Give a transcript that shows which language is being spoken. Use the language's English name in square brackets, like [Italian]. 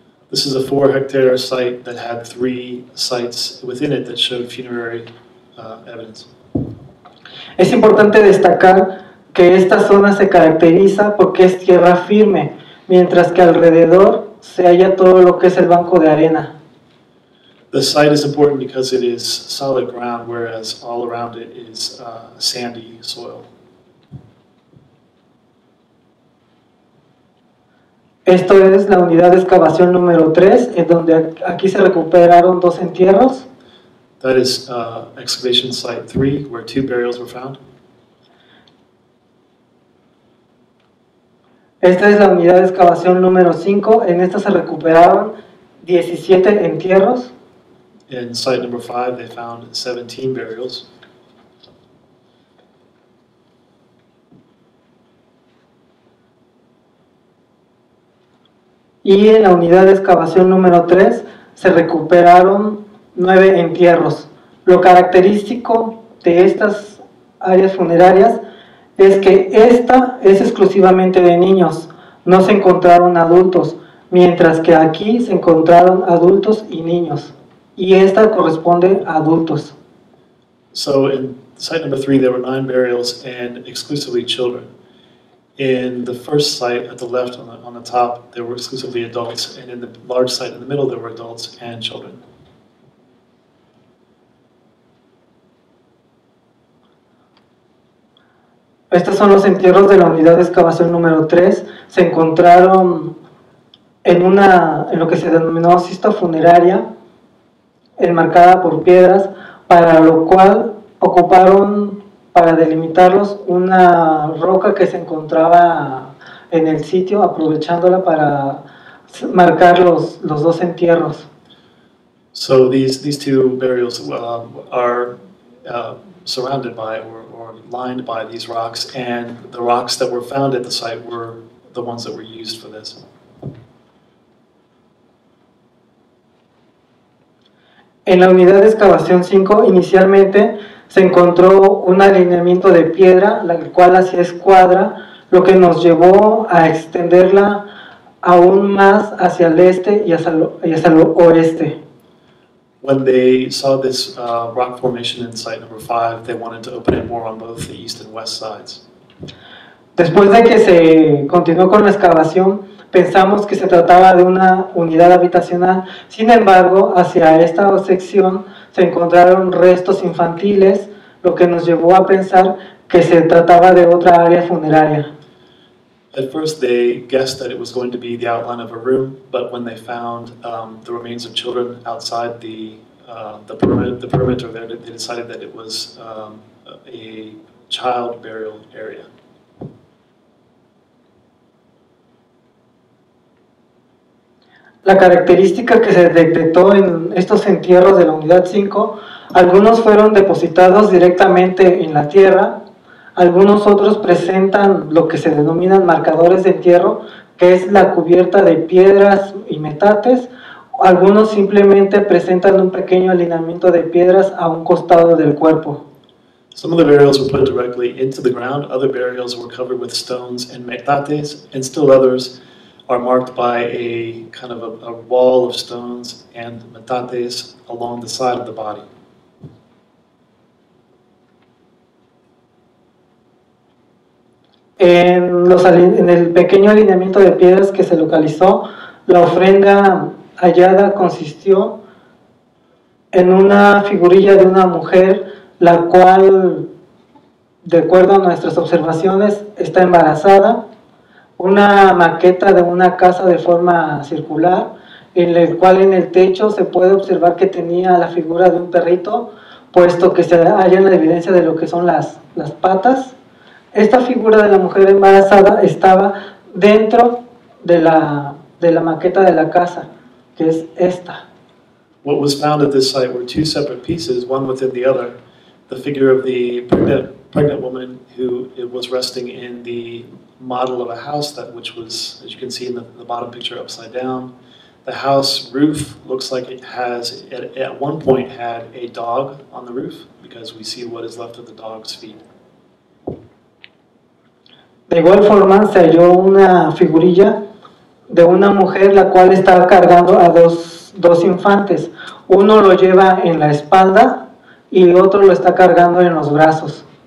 [English] This is a 4-hectare site that had 3 sites within it that showed funerary evidence. [Spanish] Es importante destacar que esta zona se caracteriza porque es tierra firme, mientras que alrededor se halla todo lo que es el banco de arena. [English] The site is important because it is solid ground, whereas all around it is sandy soil. [Spanish] Esto es la unidad de excavación número 3, en donde aquí se recuperaron 2 entierros. [English] That is excavation site 3, where 2 burials were found. [Spanish] Esta es la unidad de excavación número 5, en esta se recuperaron 17 entierros. [English] In site number 5, they found 17 burials. [Spanish] Y en la unidad de excavación número 3, se recuperaron 9 entierros. Lo característico de estas áreas funerarias es que esta es exclusivamente de niños. No se encontraron adultos, mientras que aquí se encontraron adultos y niños. Y esta corresponde a adultos. [English] So in site number 3, there were 9 burials and exclusively children. In the first site at the left on the top, there were exclusively adults. And in the large site in the middle, there were adults and children. [Spanish] Estos son los entierros de la unidad de excavación número 3. Se encontraron en lo que se denominó cista funeraria, enmarcada por piedras, para lo cual ocuparon para delimitarlos una roca que se encontraba en el sitio, aprovechándola para marcar los 2 entierros. [English] So these 2 burials are surrounded by or lined by these rocks, and the rocks that were found at the site were the ones that were used for this. [Spanish] En la unidad de excavación 5, inicialmente se encontró un alineamiento de piedra, la cual hacía escuadra, lo que nos llevó a extenderla aún más hacia el este y hacia el oeste. [English] When they saw this rock formation in site number 5, they wanted to open it more on both the east and west sides. [Spanish] Después de que se continuó con la excavación, pensamos que se trataba de una unidad habitacional. Sin embargo, hacia esta sección se encontraron restos infantiles, lo que nos llevó a pensar que se trataba de otra área funeraria. [English] At first they guessed that it was going to be the outline of a room, but when they found the remains of children outside the perimeter there, they decided that it was a child burial area. [Spanish] La característica que se detectó en estos entierros de la unidad 5, algunos fueron depositados directamente en la tierra, algunos otros presentan lo que se denominan marcadores de entierro, que es la cubierta de piedras y metates, algunos simplemente presentan un pequeño alineamiento de piedras a un costado del cuerpo. [English] Some of the burials were put directly into the ground, other burials were covered with stones and metates, and still others are marked by a kind of a wall of stones and metates along the side of the body. [Spanish] En el pequeño alineamiento de piedras que se localizó, la ofrenda hallada consistió en una figurilla de una mujer, la cual, de acuerdo a nuestras observaciones, está embarazada, una maqueta de una casa de forma circular, en el cual en el techo se puede observar que tenía la figura de un perrito, puesto que se halla en la evidencia de lo que son las patas. Esta figura de la mujer embarazada estaba dentro de la maqueta de la casa, que es esta. [English] What was found at this site were two separate pieces, one within the other. The figure of the pregnant woman who it was resting in the model of a house that which was, as you can see in the bottom picture, upside down. The house roof looks like it has, at one point, had a dog on the roof, because we see what is left of the dog's feet. [Spanish] De igual forma, se halló una figurilla de una mujer la cual está cargando a dos infantes. Uno lo lleva en la espalda y el otro lo está cargando en los brazos.